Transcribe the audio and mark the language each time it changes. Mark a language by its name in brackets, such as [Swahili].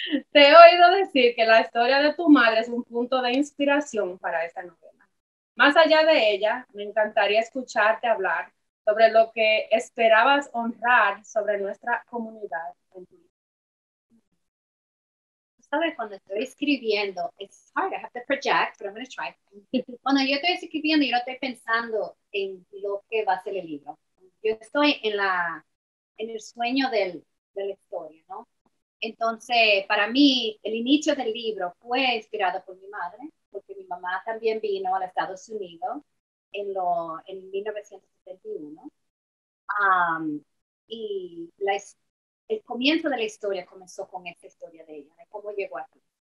[Spanish] Te he oído decir que la historia de tu madre es un punto de inspiración para esta novela. Más allá de ella, me encantaría escucharte hablar sobre lo que esperabas honrar sobre nuestra comunidad en tu vida. ¿Sabes? Cuando estoy escribiendo, [English] it's hard, I have to project, but I'm going to try. [Spanish] Cuando yo estoy escribiendo, yo no estoy pensando en lo que va a ser el libro. Yo estoy en el sueño de la historia, ¿no? Entonces, para mí, el inicio del libro fue inspirado por mi madre, porque mi mamá también vino a los Estados Unidos en 1971, y el comienzo de la historia comenzó con esta historia de ella, de cómo llegó aquí.